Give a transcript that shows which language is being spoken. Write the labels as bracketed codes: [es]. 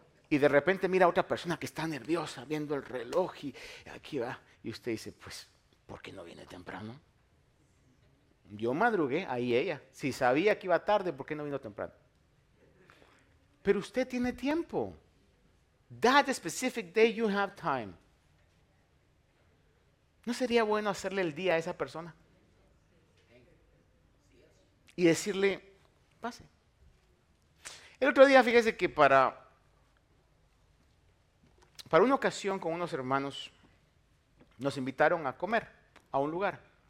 [es] Y de repente mira a otra persona que está nerviosa viendo el reloj y aquí va. Y usted dice, pues, ¿por qué no viene temprano? Yo madrugué, ahí ella. Si sabía que iba tarde, ¿por qué no vino temprano? Pero usted tiene tiempo. [en] That specific day you have time. [es] ¿No sería bueno hacerle el día a esa persona? Y decirle, pase. El otro día, fíjese que para una ocasión con unos hermanos nos invitaron a comer a un lugar.